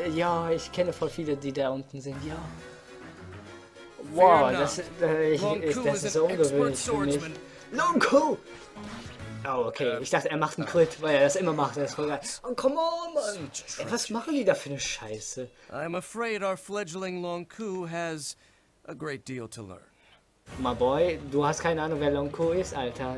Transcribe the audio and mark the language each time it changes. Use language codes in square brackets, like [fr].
[de] Ja, ich kenne voll viele, die da unten sind. Ja. Wow, das ist ungewöhnlich für mich. Long Ku! Oh, okay. Ich dachte, er macht einen Crit, weil er das immer macht. Das ist voll geil. [en] Oh, come on, [de] Mann! Ey, was machen die da für eine Scheiße? [en] I'm afraid our fledgling Long Ku has a great deal to learn. My boy, [de] du hast keine Ahnung, wer Long Ku ist, Alter.